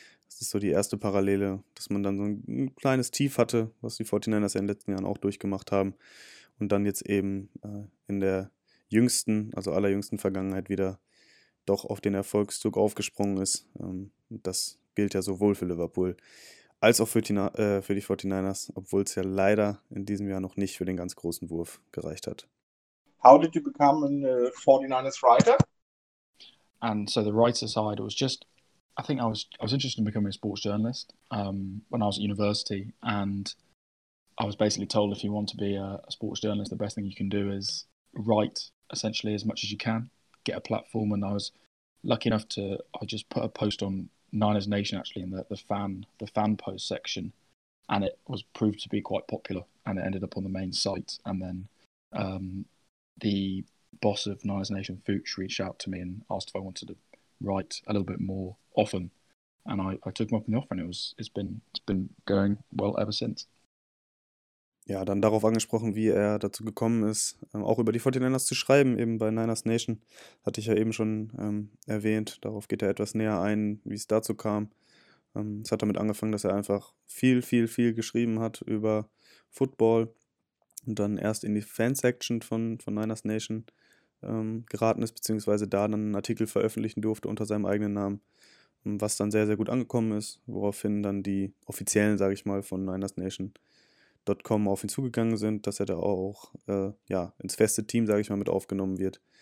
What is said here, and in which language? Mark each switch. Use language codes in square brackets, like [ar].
[de] Das ist so die erste Parallele, dass man dann so ein kleines Tief hatte, was die 49ers ja in den letzten Jahren auch durchgemacht haben und dann jetzt eben in der jüngsten, also allerjüngsten Vergangenheit wieder doch auf den Erfolgszug aufgesprungen ist. Das gilt ja sowohl für Liverpool als auch für die 49ers, obwohl es ja leider in diesem Jahr noch nicht für den ganz großen Wurf gereicht hat. [en] How did you become a 49ers writer? And so the writer side was just, I think I was interested in becoming a sports journalist when I was at university, and I was basically told if you want to be a sports journalist, the best thing you can do is write essentially as much as you can, get a platform. And I was lucky enough to, I just put a post on Niners Nation actually in the fan post section, and it was proved to be quite popular, and it ended up on the main site. And then the boss of Niners Nation, Fuchs, reached out to me and asked if I wanted to write a little bit more often, and I took him up on the offer, and it's been going well ever since. [de] Ja, dann darauf angesprochen, wie er dazu gekommen ist, auch über die 49ers zu schreiben, eben bei Niners Nation, hatte ich ja eben schon erwähnt. Darauf geht er etwas näher ein, wie es dazu kam. Es hat damit angefangen, dass er einfach viel, viel, viel geschrieben hat über Football und dann erst in die Fansection von Niners Nation geraten ist, beziehungsweise da dann einen Artikel veröffentlichen durfte unter seinem eigenen Namen, was dann sehr, sehr gut angekommen ist, woraufhin dann die offiziellen, sage ich mal, von NinersNation.com auf ihn zugegangen sind, dass er da auch ja, ins feste Team, sage ich mal, mit aufgenommen wird.